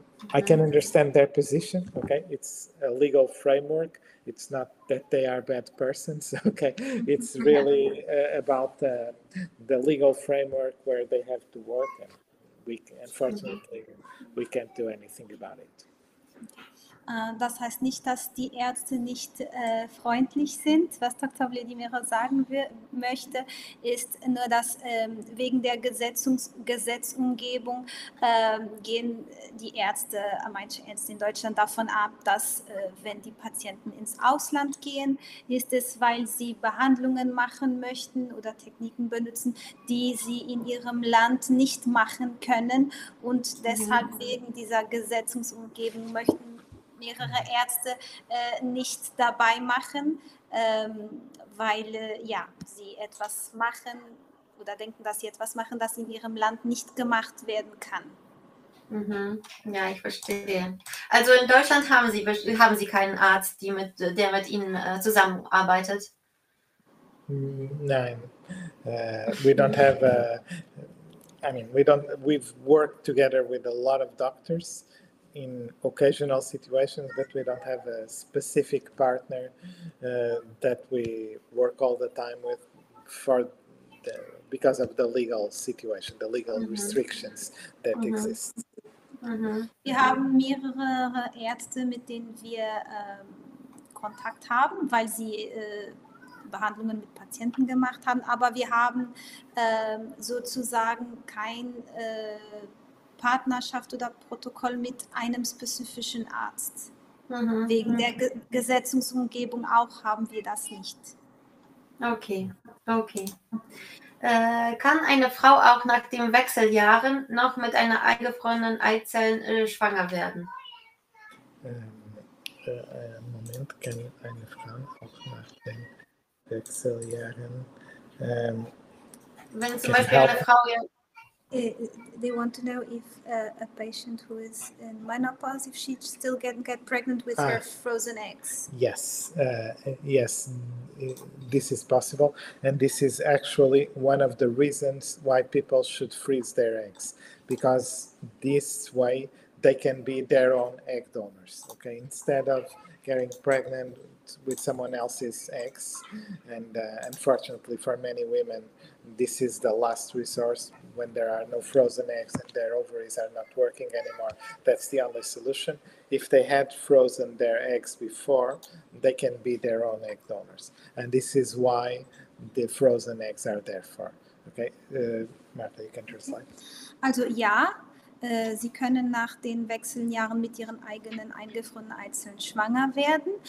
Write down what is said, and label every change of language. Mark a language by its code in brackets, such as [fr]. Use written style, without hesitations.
[en] I can understand their position, okay? It's a legal framework. It's not that they are bad persons, okay? It's really about the legal framework where they have to work, and we, unfortunately, we can't do anything about it. [de] Das heißt nicht, dass die Ärzte nicht freundlich sind. Was Dr. Vladimiro sagen möchte, ist nur, dass wegen der Gesetzumgebung gehen die Ärzte, manche Ärzte in Deutschland davon ab, dass wenn die Patienten ins Ausland gehen, ist es, weil sie Behandlungen machen möchten oder Techniken benutzen, die sie in ihrem Land nicht machen können, und deshalb wegen dieser Gesetzumgebung möchten mehrere Ärzte nicht dabei machen, weil sie etwas machen oder denken, dass sie etwas machen, das in ihrem Land nicht gemacht werden kann. Mhm. Ja, ich verstehe. Also in Deutschland haben Sie keinen Arzt, der mit Ihnen zusammenarbeitet? Nein. [en] We don't have a, I mean, we've worked together with a lot of doctors in occasional situations, but we don't have a specific partner that we work all the time with because of the legal situation, the legal restrictions that exist. [de] Wir haben mehrere Ärzte, mit denen wir Kontakt haben, weil sie Behandlungen mit Patienten gemacht haben, aber wir haben sozusagen kein Partnerschaft oder Protokoll mit einem spezifischen Arzt. Wegen der Gesetzungsumgebung auch haben wir das nicht. [en] Okay. [de] Kann eine Frau auch nach den Wechseljahren noch mit einer eingefrorenen Eizelle schwanger werden? Moment, kann eine Frau auch nach den Wechseljahren. Wenn zum Beispiel eine Frau. Ja, [en] they want to know if a patient who is in menopause, if she still get pregnant with her frozen eggs. Yes, yes, this is possible. And this is actually one of the reasons why people should freeze their eggs, because this way they can be their own egg donors. Okay, instead of getting pregnant with someone else's eggs, and unfortunately for many women, this is the last resource when there are no frozen eggs and their ovaries are not working anymore. That's the only solution. If they had frozen their eggs before, they can be their own egg donors. And this is why the frozen eggs are there for. Okay, Martha, you can translate. [de] Also, ja, sie können nach den Wechseljahren mit ihren eigenen eingefrorenen Eizellen schwanger werden.